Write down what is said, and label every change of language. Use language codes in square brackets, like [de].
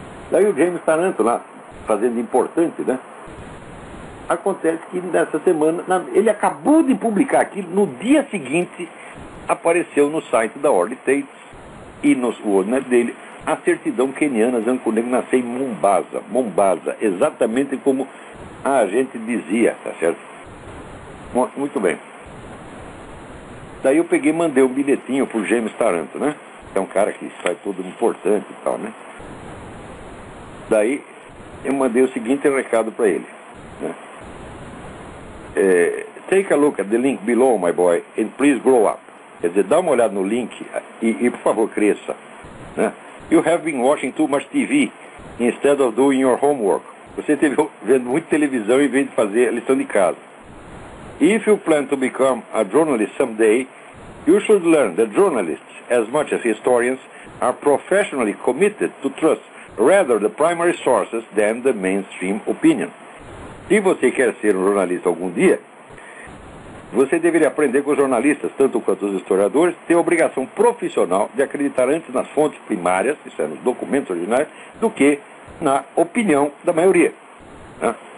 [pt] Daí o James Taranto lá, fazendo importante, né? Acontece que nessa semana, ele acabou de publicar aquilo, no dia seguinte apareceu no site da Orly Tates e no WordNet dele a certidão keniana Zancunego nasceu em Mombasa, exatamente como a gente dizia, tá certo? Muito bem. Daí eu peguei e mandei um bilhetinho pro James Taranto, né? É um cara que sai todo importante e tal, né? Daí eu mandei o seguinte recado para ele, né? [en] Take a look at the link below, my boy, and please grow up. [pt] Quer dizer, dá uma olhada no link e por favor, cresça, né? [en] You have been watching too much TV instead of doing your homework. [pt] Você esteve vendo muita televisão em vez de fazer a lição de casa. [en] If you plan to become a journalist someday, you should learn that journalists, as much as historians, are professionally committed to trust rather the primary sources than the mainstream opinion. [pt] Se você quer ser um jornalista algum dia, você deveria aprender com os jornalistas, tanto quanto os historiadores, ter a obrigação profissional de acreditar antes nas fontes primárias, isso é, nos documentos originais, do que na opinião da maioria. Né?